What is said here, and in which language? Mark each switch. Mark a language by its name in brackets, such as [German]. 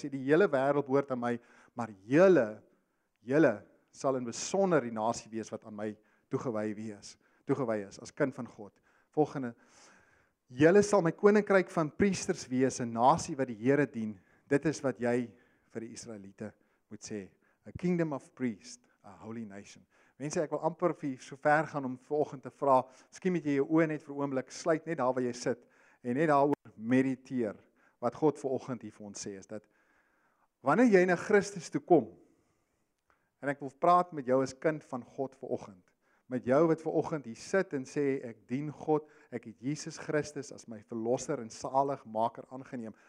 [Afrikaans] Hy sê die hele wêreld behoort aan my, maar julle sal in besonder die nasie wees wat aan my toegewy is as kind van God. Volgende: julle sal my koninkryk van priesters wees, 'n nasie wat die Here dien. Dit is wat jy vir die Israeliete moet sê. [English] A kingdom of priests, a holy nation. [Afrikaans] Mense, ek wil amper vir so ver gaan om vanoggend te vra, skien met jy jou oë net vir 'n oomblik, sluit net daar waar jy sit en net daaroor mediteer wat God vanoggend hier vir ons sê is dat wanneer jy na Christus toe kom en ek wil praat met jou as kind van God vanoggend, met jou wat vanoggend hier sit en sê ek dien God, ek het Jesus Christus as my verlosser en saligmaker aangeneem.